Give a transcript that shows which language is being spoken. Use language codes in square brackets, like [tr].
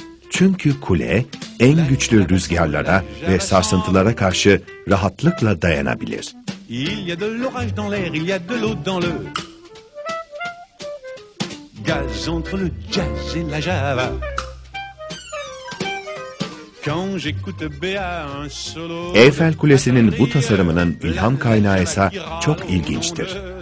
[tr] Çünkü kule en güçlü rüzgarlara ve sarsıntılara karşı rahatlıkla dayanabilir. [fr] Il y a de l'orage dans l'air, il y a de l'eau dans le gaz entre le jazz et la java. Quand j'écoute Béa un solo. [tr] Eiffel Kulesi'nin bu tasarımının ilham kaynağı ise çok ilginçtir.